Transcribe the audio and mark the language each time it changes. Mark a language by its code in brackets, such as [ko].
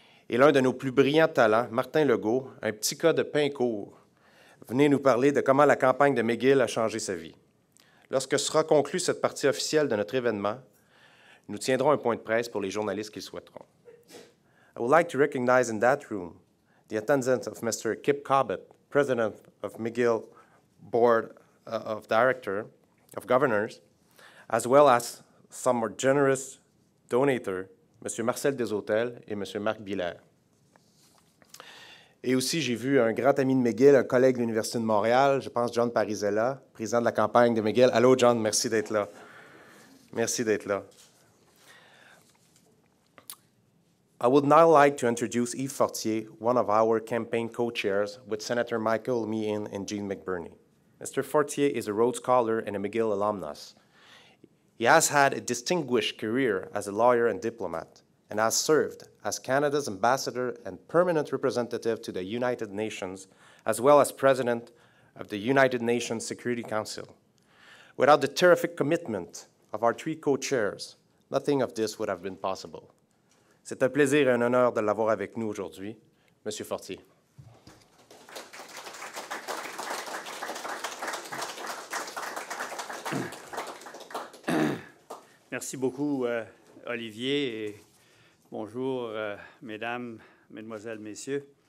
[fr] Et l'un de nos plus brillants talents, Martin Legault, un petit cas de pain court, venez nous parler de comment la campagne de McGill a changé sa vie. Lorsque sera conclue cette partie officielle de notre événement, nous tiendrons un point de presse pour les journalistes qui le souhaiteront. [en] I would like to recognize in that room the attendance of Mr. Kip Cobbett, President of McGill Board of Director of Governors, as well as some more generous donators, M. [fr] Marcel Desautels et M. Marc Billaire. Et aussi, j'ai vu un grand ami de McGill, un collègue de l'Université de Montréal, je pense John Parizella, président de la campagne de McGill. Allô, John, merci d'être là. Merci d'être là. [en] I would now like to introduce Yves Fortier, one of our campaign co-chairs, with Senator Michael Meehan and Jean McBurney. Mr. Fortier is a Rhodes Scholar and a McGill alumnus. He has had a distinguished career as a lawyer and diplomat, and has served as Canada's ambassador and permanent representative to the United Nations, as well as president of the United Nations Security Council. Without the terrific commitment of our three co-chairs, nothing of this would have been possible. [fr] C'est un plaisir et un honneur de l'avoir avec nous aujourd'hui, Monsieur Fortier. Merci beaucoup, Olivier, et bonjour, mesdames, mesdemoiselles, messieurs.